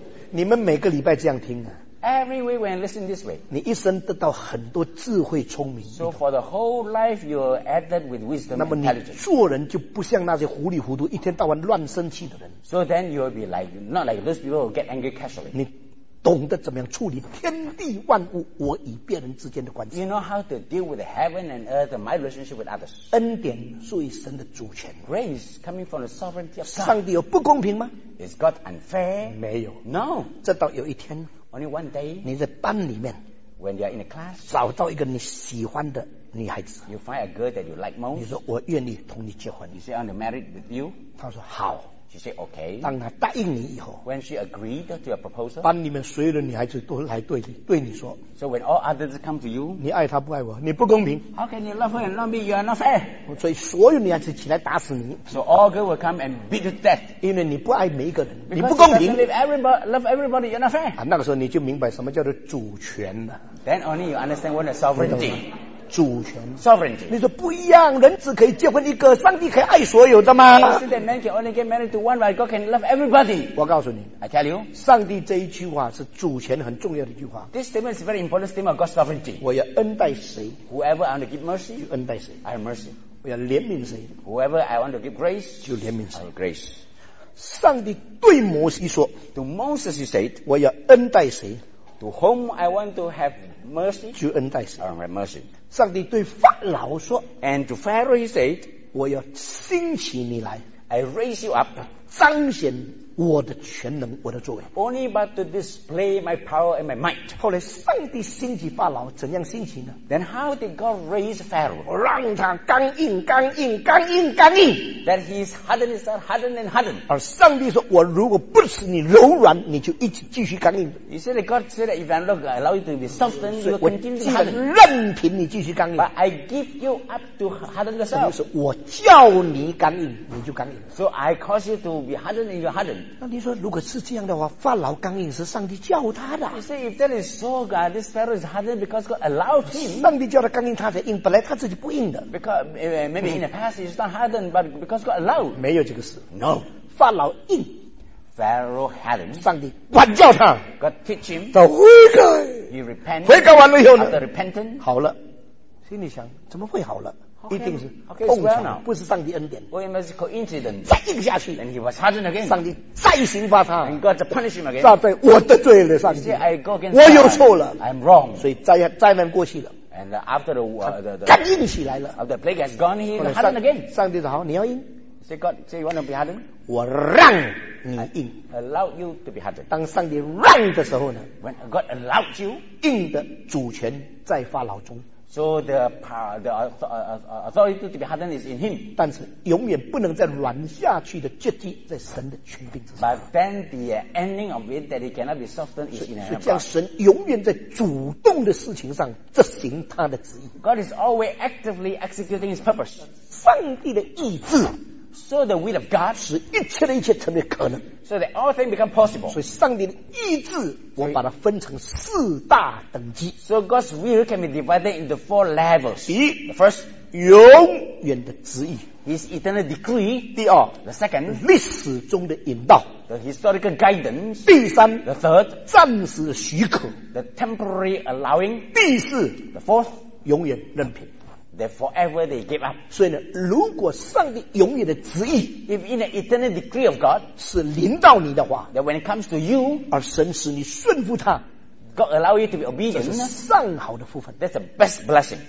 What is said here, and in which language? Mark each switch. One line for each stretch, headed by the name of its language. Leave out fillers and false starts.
Chinese: 你们每个礼拜这样听啊。
English: Every way when listen this way.
Chinese: 你一生得到很多智慧聪明。
English: So for the whole life you're added with wisdom and intelligence.
Chinese: 那么你做人就不像那些糊里糊涂一天到晚乱生气的人。
English: So then you'll be like, not like those people who get angry casually.
Chinese: 你懂得怎么样处理天地万物我与别人之间的关系。
English: You know how to deal with heaven and earth and my relationship with others.
Chinese: 恩典属于神的主权。
English: Grace coming from the sovereignty of God.
Chinese: 上帝有不公平吗？
English: Is God unfair?
Chinese: 没有。
English: No.
Chinese: 直到有一天
English: Only one day,
Chinese: 你在班里面
English: when you are in a class,
Chinese: 找到一个你喜欢的女孩子
English: you find a girl that you like most,
Chinese: 你说我愿意同你结婚
English: you say I'm married with you,
Chinese: 她说好
English: she said okay,
Chinese: 当她答应你以后
English: when she agreed to your proposal,
Chinese: 班里面所有的女孩子都来对你说
English: so when all others come to you,
Chinese: 你爱她不爱我你不公平
English: how can you love her and love me, you are not fair,
Chinese: 所以所有女孩子起来打死你
English: so all girls will come and beat you to death,
Chinese: 因为你不爱每一个人
English: Because、
Chinese: 你不公平
English: love everybody, you're not fair.、
Chinese: 啊、那个时候你就明白什么叫做主权了。
English: Then only you understand what is sovereignty.
Chinese: 主权。
English: Sovereignty.
Chinese: 你说不一样，人只可以结婚一个，上帝可以爱所有的吗？
English: You see that man can only get married to one, but God can love everybody.
Chinese: 我告诉你。
English: I tell you.
Chinese: 上帝这一句话是主权很重要的一句话。
English: This statement is a very important statement of God's sovereignty.
Chinese: 我要恩待谁。
English: Whoever I want to give mercy.
Chinese: 就恩待谁。
English: I have mercy.
Chinese: 我要怜悯谁。
English: Whoever I want to give grace.
Chinese: 就怜悯谁。
English: I have grace.
Chinese: 上帝对摩西说
English: To Moses he said
Chinese: 我要恩待谁
English: To whom I want to have mercy
Chinese: 就恩待谁
English: I want to have mercy
Chinese: 上帝对法老说
English: And to Pharaoh he said
Chinese: 我要兴起你来
English: I raise you up
Chinese: 彰显我的全能我的作为
English: Only but to display my power and my might
Chinese: 后来上帝兴起法老怎样兴起呢
English: Then how did God raise Pharaoh
Chinese: 让他刚硬刚硬刚硬刚硬
English: That he's hardened his heart hardened and hardened
Chinese: 而上帝说我如果不使你柔软你就一直继续刚硬
English: You see that God said that if I look, allow you to be softened you will continue to harden
Chinese: 任凭你继续刚硬
English: But I give you up to harden yourself
Chinese: 就是我叫你刚硬你就刚硬
English: So I cause you to be hardened and you hardened
Chinese: 那你说如果是这样的话法老刚硬是上帝叫他的
English: You see if that is so God this Pharaoh is hardened because God allowed him
Chinese: 上帝叫他刚硬他才硬本来他自己不硬的
English: Because maybe in the past he's not hardened but because God allowed
Chinese: 没有这个事
English: No
Chinese: 法老硬
English: Pharaoh hardened
Chinese: 上帝管教他
English: God teach him
Chinese: 他悔改
English: He repented
Chinese: 悔改完了以后呢
English: After repenting
Chinese: 好了心里想怎么会好了
English: Okay,
Chinese: 一定是碰巧 okay, 不是上帝恩典
English: well, it must be coincident.
Chinese: 再硬下去
English: And he was hardened again.
Chinese: 上帝再刑罚他
English: And God to punish him again
Chinese: 上帝我得罪了上帝
English: see, I go against
Chinese: 我有错了
English: I'm wrong
Chinese: 所以灾难过去了
English: And after the war
Chinese: 刚硬起来了
English: After the plague has gone He hardened again
Chinese: 上帝说好你要硬
English: Say God Say you want to be hardened
Chinese: 我让你硬
English: Allow you to be hardened
Chinese: 当上帝让的时候呢
English: When God allowed you
Chinese: 硬的主权在法老中
English: So the power, the authority to be hardened is in him.
Chinese: 但是永远不能再软下去的决定在神的权柄之上。
English: But then the ending of it that he cannot be softened is in him.
Chinese: 所以这样神永远在主动的事情上执行他的旨意。
English: God is always actively executing his purpose.
Chinese: 上帝的意志。
English: So the will of God.
Chinese: 使一切的一切成为可能。
English: So that all things become possible.
Chinese: 所以上帝的意志我把它分成四大等级。
English: So God's will can be divided into four levels.
Chinese: 第一
English: The first,
Chinese: 永远的旨意。
English: His eternal decree.
Chinese: 第二
English: The second,
Chinese: 历史中的引导。
English: The historical guidance.
Chinese: 第三
English: The third,
Chinese: 暂时的许可。
English: The temporary allowing.
Chinese: 第四
English: The fourth,
Chinese: 永远任凭。
English: That forever they give up.
Chinese: 所以呢，如果上帝永远的旨意
English: ，if in the eternal decree of God
Chinese: 是临到你的话
English: ，that when it comes to you，
Chinese: 而神使你顺服他
English: God allow you to be obedient.
Chinese: 这是上好的福分。
English: That's the best blessing.